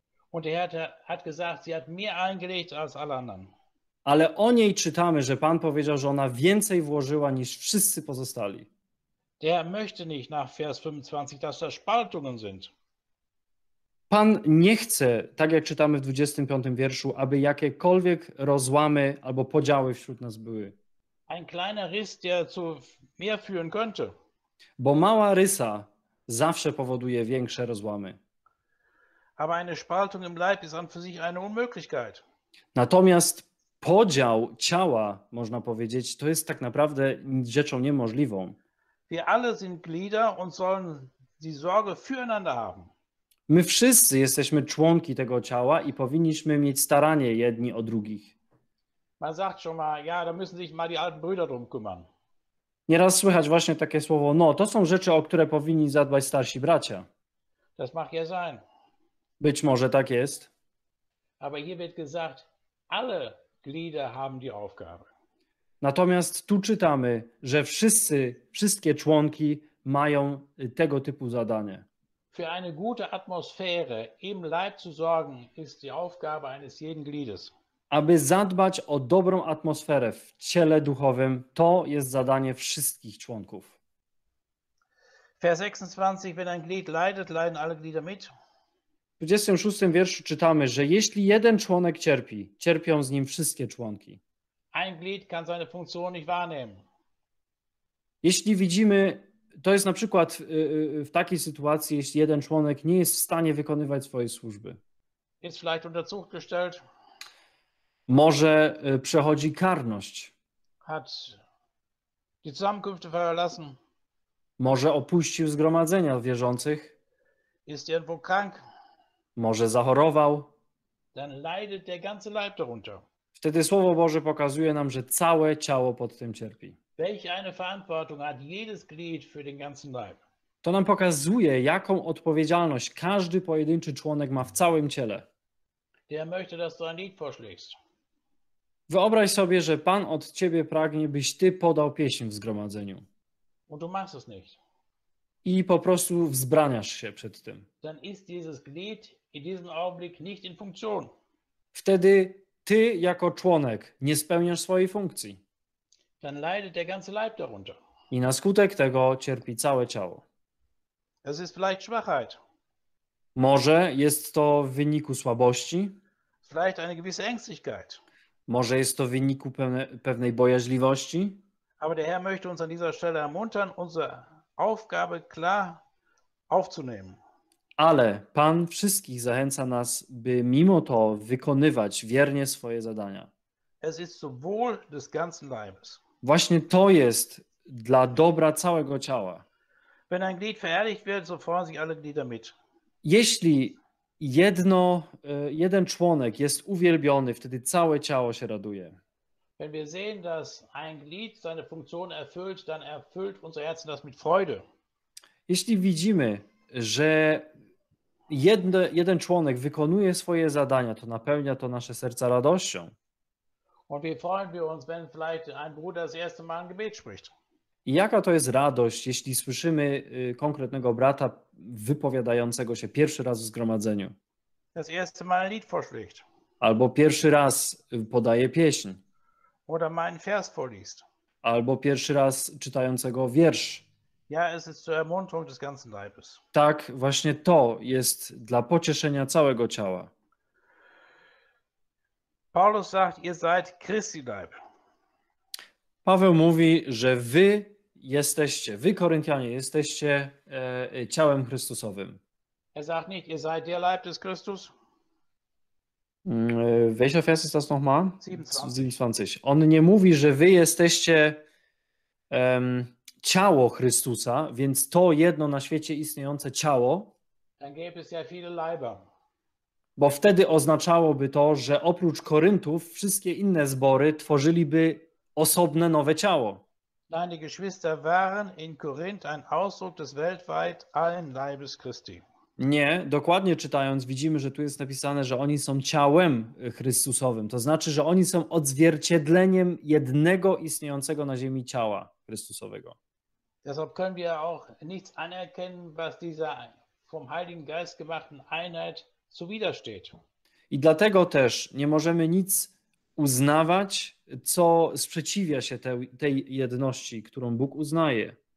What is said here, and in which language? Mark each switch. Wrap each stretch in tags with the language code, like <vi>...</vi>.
<de>Und der Herr hat gesagt, sie hat mehr eingelegt als alle anderen.</de> <pl>Ale o niej czytamy, że Pan powiedział, że ona więcej włożyła niż wszyscy pozostali.</pl> <de>Der möchte nicht nach Vers 25, dass da Spaltungen sind.</de> <pl>Pan nie chce, tak jak czytamy w 25 wierszu, aby jakiekolwiek rozłamy albo podziały wśród nas były.</pl> <de>Ein kleiner Riss, der zu mehr führen könnte.</de> <pl>Bo mała rysa zawsze powoduje większe rozłamy.</pl> <de>Aber eine Spaltung im Leib ist an für sich eine Unmöglichkeit.</de> <pl>Natomiast podział ciała, można powiedzieć, to jest tak naprawdę rzeczą niemożliwą.</pl> <de>Wir alle sind Glieder und sollen die Sorge füreinander haben.</de> <pl>My wszyscy jesteśmy członki tego ciała i powinniśmy mieć staranie jedni o drugich.</pl> <de>Man sagt schon mal, ja, da müssen sich mal die alten Brüder drum kümmern.</de> <pl>Nieraz słychać właśnie takie słowo, no, to są rzeczy, o które powinni zadbać starsi bracia.</pl> <de>Das mag ja sein.</de> <pl>Być może tak jest.</pl> <de>Aber hier wird gesagt, alle Glieder haben die Aufgabe.</de> <pl>Natomiast tu czytamy, że wszystkie członki mają tego typu zadanie.</pl> <de>Für eine gute Atmosphäre im Leib zu sorgen, ist die Aufgabe eines jeden Gliedes.</de> <pl>Aby zadbać o dobrą atmosferę w ciele duchowym, to jest zadanie wszystkich członków.</pl> <de>Vers 26, wenn ein Glied leidet, leiden alle Glieder mit.</de> <pl>W 26 wierszu czytamy, że jeśli jeden członek cierpi, cierpią z nim wszystkie członki.</pl> <de>Ein Glied kann seine Funktion nicht wahrnehmen.</de> <pl>Jeśli widzimy, to jest na przykład w takiej sytuacji, jeśli jeden członek nie jest w stanie wykonywać swojej służby.</pl> <de>Ist vielleicht unter Zug gestellt.</de> <pl>Może przechodzi karność.</pl> <de>Hat die Zusammenkünfte verlassen.</de> <pl>Może opuścił zgromadzenia wierzących.</pl> <de>Ist irgendwo krank.</de> <pl>Może zachorował.</pl> <de>Dann leidet der ganze Leib darunter.</de> <pl>Wtedy Słowo Boże pokazuje nam, że całe ciało pod tym cierpi.</pl> <de>Welch eine Verantwortung hat jedes Glied für den ganzen Leib.</de> <pl>To nam pokazuje, jaką odpowiedzialność każdy pojedynczy członek ma w całym ciele.</pl> <de>Der möchte, dass du ein Lied vorschlägst.</de> <pl>Wyobraź sobie, że Pan od ciebie pragnie, byś ty podał pieśń w zgromadzeniu.</pl> <de>Und du machst es nicht.</de> <pl>I po prostu wzbraniasz się przed tym.</pl> <de>Dann ist dieses Glied in diesem Augenblick nicht in Funktion.</de> <pl>Wtedy ty jako członek nie spełniasz swojej funkcji.</pl> <de>Dann leidet der ganze Leib darunter.</de> <pl>I na skutek tego cierpi całe ciało.</pl> <de>Es ist vielleicht Schwachheit.</de> <pl>Może jest to w wyniku słabości.</pl> <de>Vielleicht eine gewisse Ängstlichkeit.</de> <pl>Może jest to w wyniku pewnej bojaźliwości.</pl> <de>Aber der Herr möchte uns an dieser Stelle ermuntern, unsere Aufgabe klar aufzunehmen.</de> <pl>Ale Pan wszystkich zachęca nas, by mimo to wykonywać wiernie swoje zadania.</pl> <de>Es ist zum Wohl des ganzen Leibes.</de> <pl>Właśnie to jest dla dobra całego ciała.</pl> <de>Wenn ein Glied verherrlicht wird, so freuen sich alle Glieder mit.</de> <pl>Jeśli jeden członek jest uwielbiony, wtedy całe ciało się raduje.</pl> <de>Wenn wir sehen, dass ein Glied seine Funktion erfüllt, dann erfüllt unser Herz das mit Freude.</de> <pl>Jeśli widzimy, że jeden członek wykonuje swoje zadania, to napełnia to nasze serca radością.</pl> <de>Und wie freuen wir uns, wenn vielleicht ein Bruder das erste Mal ein Gebet spricht?</de> <pl>I jaka to jest radość, jeśli słyszymy konkretnego brata wypowiadającego się pierwszy raz w zgromadzeniu.</pl> <de>Das erste Mal ein Lied vorschlägt.</de> <pl>Albo pierwszy raz podaje pieśń.</pl> <de>Oder mal einen Vers vorliest.</de> <pl>Albo pierwszy raz czytającego wiersz.</pl> <de>Ja, es ist zur Ermunterung des ganzen Leibes.</de> <pl>Tak, właśnie to jest dla pocieszenia całego ciała.</pl> <de>Paulus sagt, ihr seid Christi Leib.</de> <pl>Paweł mówi, że wy Koryntianie, jesteście ciałem Chrystusowym.</pl> <de>Er sagt nicht, ihr seid der Leib des Christus. Welcher Vers ist das nochmal? 27.</de> <pl>On nie mówi, że wy jesteście ciało Chrystusa, więc to jedno na świecie istniejące ciało.</pl> <de>Dann gäbe es ja viele Leiber.</de> <pl>Bo wtedy oznaczałoby to, że oprócz Koryntów wszystkie inne zbory tworzyliby osobne nowe ciało.</pl> <de>Nein, die Geschwister waren in Korinth ein Ausdruck des weltweit allen Leibes Christi.</de> <pl>Nie, dokładnie czytając widzimy, że tu jest napisane, że oni są ciałem Chrystusowym. To znaczy, że oni są odzwierciedleniem jednego istniejącego na ziemi ciała Chrystusowego.</pl> <de>Deshalb können wir auch nichts anerkennen, was dieser vom Heiligen Geist gemachten Einheit zuwidersteht.</de> <pl>I dlatego też nie możemy nic uznawać, co sprzeciwia się tej jedności, którą Bóg uznaje.</pl>